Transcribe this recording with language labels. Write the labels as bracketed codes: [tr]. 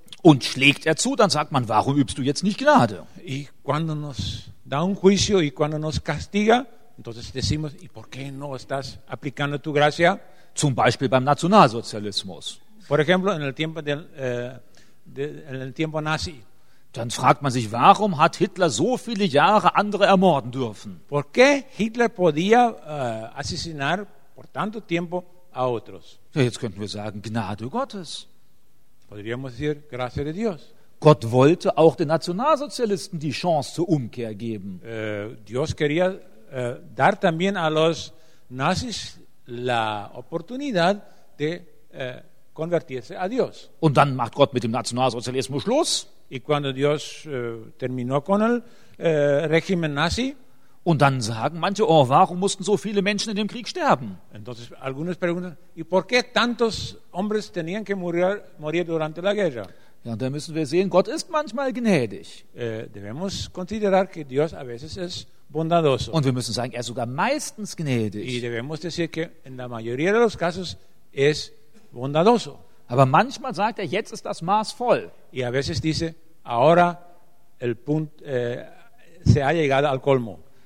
[de] Und schlägt er zu, dann sagt man, warum übst du jetzt nicht Gnade? [es] Y cuando nos da un juicio y cuando nos castiga, entonces decimos, ¿y por qué no estás aplicando tu gracia? [de] Zum Beispiel beim Nationalsozialismus. [es] Por ejemplo, en el tiempo del en el tiempo nazi. [de] Dann fragt man sich, warum hat Hitler so viele Jahre andere ermorden dürfen? [es] ¿Por qué Hitler podía asesinar por tanto tiempo a otros? [de] Ja, jetzt könnten wir sagen, Gnade Gottes. [es] Podríamos decir, gracia de Dios. [de] Gott wollte auch den Nationalsozialisten die Chance zur Umkehr geben. [es] Dios quería dar también a los nazis la oportunidad de convertirse a Dios. [de] Und dann macht Gott mit dem Nationalsozialismus Schluss. [es] Y cuando Dios terminó con el régimen nazi. [de] Und dann sagen manche, oh, warum mussten so viele Menschen in dem Krieg sterben? [es] Entonces algunos preguntan, ¿y por qué tantos hombres tenían que morir durante la guerra? [de] Ja, da müssen wir sehen, Gott ist manchmal gnädig. [es] Debemos considerar que Dios a veces es bondadoso. [de] Und wir müssen sagen, er ist sogar meistens gnädig. [es] Y debemos decir que en la mayoría de los casos es bondadoso. [de] Aber manchmal sagt er, jetzt ist das Maß voll. [es] Y a veces dice, ahora el punto se ha llegado al colmo.